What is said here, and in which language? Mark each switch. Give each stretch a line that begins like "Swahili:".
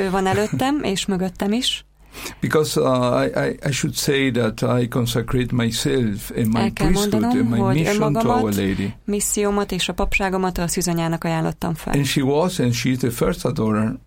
Hungarian: Ő van előttem és mögöttem is.
English: Because I should say that I consecrate myself and my priesthood and my mission to Our Lady.
Hungarian: Missziómat és a papságomat a szűzanyának ajánlottam fel.
English: And she was and she is the first adorer.